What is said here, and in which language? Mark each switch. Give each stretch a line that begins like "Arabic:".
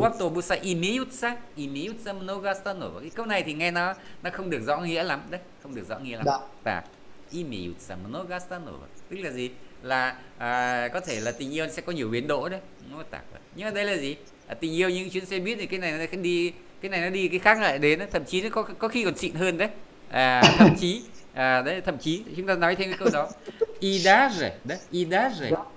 Russian: у автобуса имеются много остановок.
Vietnamese: Cái câu này thì nghe nó không được rõ nghĩa lắm đấy, không được rõ nghĩa lắm.
Russian: Да. Так. Имеются много остановок.
Vietnamese: Tức là gì? Là có thể là tình yêu sẽ có nhiều bến đỗ đấy. Nó tạc. Nhưng mà đây là gì? À, tình yêu những chuyến xe buýt thì cái này nó đi cái khác lại đến, thậm chí nó có khi còn xịn hơn đấy. À, thậm chí à, đấy thậm chí chúng ta nói thêm cái câu đó.
Russian: И даже, đấy, и даже.